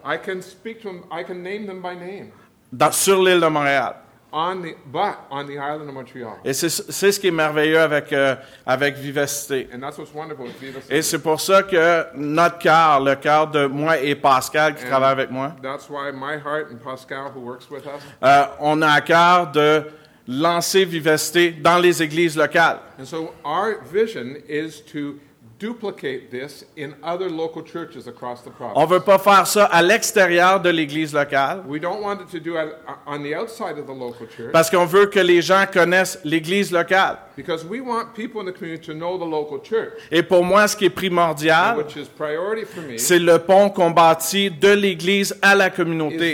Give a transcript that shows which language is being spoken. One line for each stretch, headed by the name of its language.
English: I can speak to them. I can name them by name.
French: Sur l'île de Montréal.
English: On the island of Montreal.
French: Et c'est ce qui est merveilleux avec Vivacité.
English: And that's what's wonderful with Vivacité.
French: Et c'est pour ça que notre cœur, le cœur de moi et Pascal qui travaille avec moi,
English: that's why my heart and Pascal who works with us,
French: on a à cœur de lancer Vivacité dans les églises locales.
English: And so our vision is to duplicate this in other local churches across the province.
French: On veut pas faire ça à l'extérieur de l'église locale.
English: We don't want it to do it on the outside of the local church.
French: Parce qu'on veut que les gens connaissent l'église locale.
English: Because we want people in the community to know the local church.
French: Et pour moi, ce qui est primordial,
English: which is priority for me,
French: c'est le pont qu'on bâtit de l'église à la communauté.